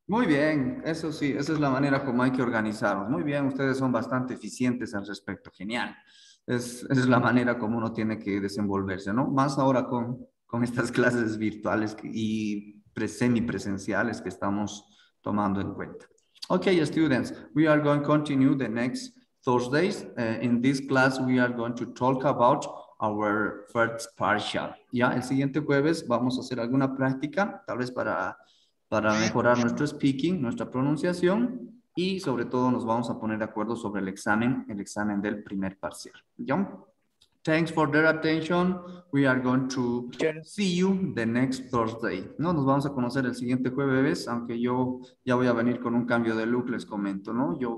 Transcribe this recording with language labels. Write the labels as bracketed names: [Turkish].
[Spanish] Muy bien, eso sí, esa es la manera como hay que organizarnos. Muy bien, ustedes son bastante eficientes al respecto, genial. Esa es la manera como uno tiene que desenvolverse, ¿no? Más ahora con estas clases virtuales y semipresenciales que estamos tomando en cuenta. [English] Ok, students, we are going to continue the next Thursdays. In this class, we are going to talk about our first partial. [Spanish] Ya, el siguiente jueves vamos a hacer alguna práctica, tal vez para mejorar nuestro speaking, nuestra pronunciación, y sobre todo nos vamos a poner de acuerdo sobre el examen del primer parcial. Ya. [English] Thanks for their attention. We are going to see you the next Thursday. [Spanish] No, nos vamos a conocer el siguiente jueves, aunque yo ya voy a venir con un cambio de look, les comento, ¿no?